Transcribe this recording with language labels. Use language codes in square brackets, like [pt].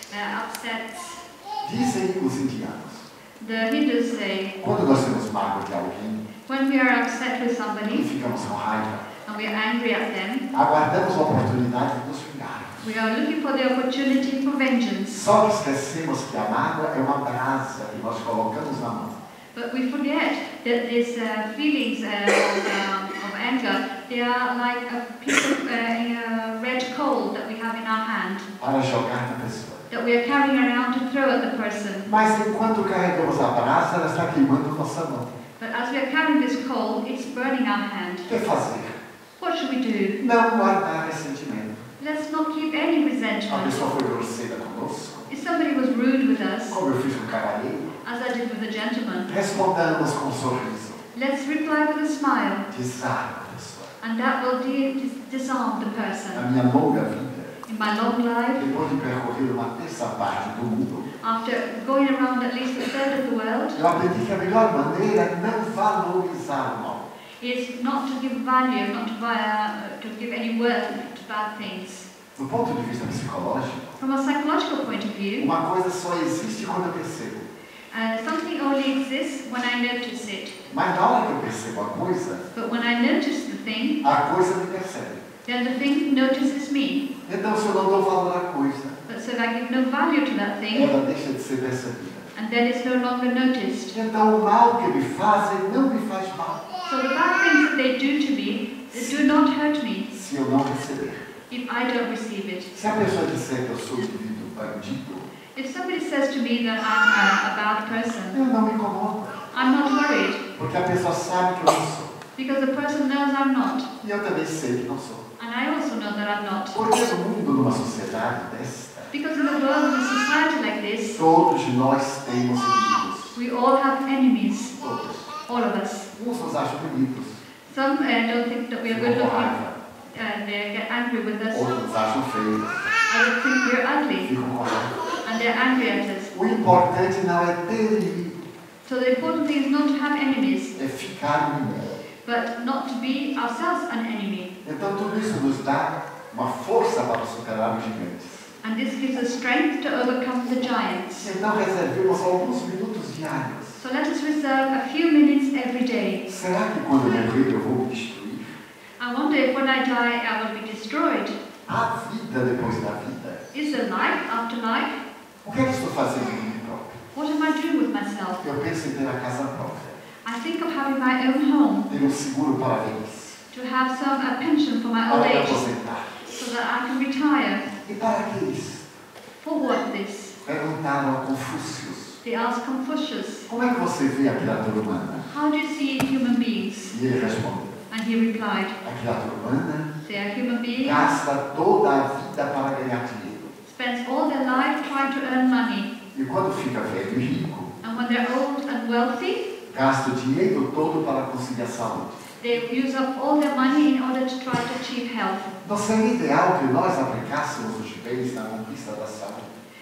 [en] Upset. [pt] Dizem os indianos. [en] The Hindus say. [pt] Quando nós temos mágoa de alguém. [en] When we are upset with somebody, [pt] ficamos com raiva, [en] and we are angry at them, [pt] aguardamos a oportunidade de nos vingarmos. [en] We are looking for the opportunity for vengeance. [pt] Só esquecemos que a mágoa é uma brasa que nós colocamos na mão. [en] But we forget that these feelings of anger, they are like a piece of red coal that we have in our hand. [pt] Para jogar na pessoa. [en] That we are carrying around to throw at the person. [pt] Mas enquanto carregamos a brasa, ela está queimando nossa mão. [en] But as we are carrying this coal, it's burning our hand. [pt] Que fazer? [en] What should we do? [pt] Não guardar ressentimento. [en] Let's not keep any resentment. [pt] A pessoa foi grosseira conosco. [en] If somebody was rude with us. [pt] Como eu fiz com o cavalheiro. [en] As I did with the gentleman. [pt] Respondamos com um sorriso. [en] Let's reply with a smile. Disarm [pt] a pessoa. [en] And that will disarm the person. [pt] Na minha longa vida. [en] In my long life. [pt] Depois de percorrer uma terça parte do mundo. [en] After going around at least a third of the world, [pt] eu aprendi que a melhor maneira é não valorizar o mal. [en] is not to give value, not to buy, to give any worth to bad things. [pt] Do ponto de vista psicológico, [en] from a psychological point of view, [pt] uma coisa só existe quando eu percebo. [en] Something only exists when I notice it. [pt] Mas na hora que eu percebo a coisa, [en] but when I notice the thing, [pt] a coisa me percebe. [en] Then the thing notices me. [pt] Então, se eu não dou valor à coisa, [en] but so I give no value to that thing, [pt] ela deixa de ser percebida. [en] And then it's no longer noticed. [pt] Então, o mal que me fazem não me faz mal. [en] So the bad things that they do to me, they do not hurt me. [pt] Se eu não receber. [en] If I don't receive it. [pt] Se a pessoa disser que eu sou um indivíduo bandido, [en] if somebody says to me that I'm a bad person, [pt] eu não me incomodo. [en] I'm not worried. [pt] Porque a pessoa sabe que eu não sou. [en] Because the person knows I'm not. [pt] E eu também sei que não sou. [en] And I also know that I'm not. [pt] Porque no mundo, numa sociedade desta, [en] because in a world, in a society like this, [pt] todos nós temos inimigos. [en] We all have enemies. [pt] Todos. [en] All of us. [pt] Uns nos acham bonitos. [en] Some don't think that we are good looking. They get angry with us. [pt] Outros acham feios. [en] And they think we're ugly. And they're angry at us. [pt] O importante não é ter inimigo. [en] So the important thing is not to have enemies. [pt] É ficar inimigo. [en] But not to be ourselves an enemy. [pt] Então tudo isso nos dá uma força para superar os gigantes. [en] And this gives us strength to overcome the giants. [pt] Então reservemos alguns minutos diários. [en] So let us reserve a few minutes every day. [pt] Será que quando eu morrer eu vou me destruir? [en] I wonder if when I die I will be destroyed. [pt] Há vida depois da vida? [en] Is there life after life? [pt] O que é que estou fazendo com mim próprio? [en] What am I doing with myself? [pt] Eu penso em ter a casa própria. [en] I think of having my own home. [pt] Ter seguro para velhice. [en] To have some a pension for my old age. So that I can retire. [pt] E para que isso? [en] For what this? [pt] Perguntaram a Confúcio. [en] They asked Confucius. [pt] Como é que você vê a criatura humana? [en] How do you see human beings? [pt] E ele respondeu. [en] And he replied. [pt] A criatura humana. [en] They are human beings. [pt] Gasta toda a vida para ganhar dinheiro. [en] Spends all their life trying to earn money. [pt] E quando fica velho e rico? [en] And when they're old and wealthy. [pt] Gasta o dinheiro todo para conseguir a saúde. [en] They use up all their money in order to try to achieve health. [pt] Não seria ideal que nós aplicássemos os bens na conquista da saúde?